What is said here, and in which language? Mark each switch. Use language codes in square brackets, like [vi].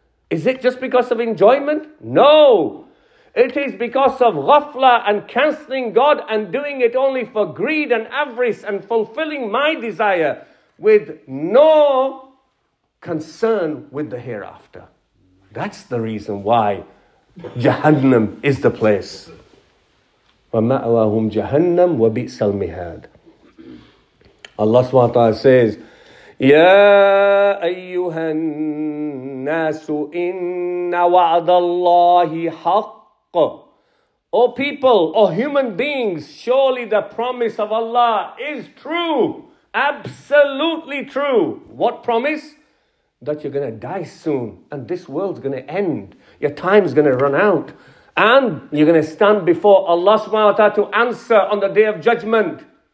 [en] Is it just because of enjoyment? No! It is because of ghafla and cancelling God and doing it only for greed and avarice and fulfilling my desire with no concern with the hereafter. That's the reason why Jahannam is the place. [ar] وَمَأْوَاهُمْ جَهَنَّمْ وَبِئْسَ الْمِهَادِ Allah subhanahu wa ta'ala says, يَا أَيُّهَا النَّاسُ إِنَّ وَعْدَ اللَّهِ حَقٌّ [en] Oh people, oh human beings, surely the promise of Allah is true, absolutely true. What promise? That you're going to die soon and this world's going to end. Your time's going to run out and you're going to stand before Allah subhanahu wa ta'ala to answer on the day of judgment.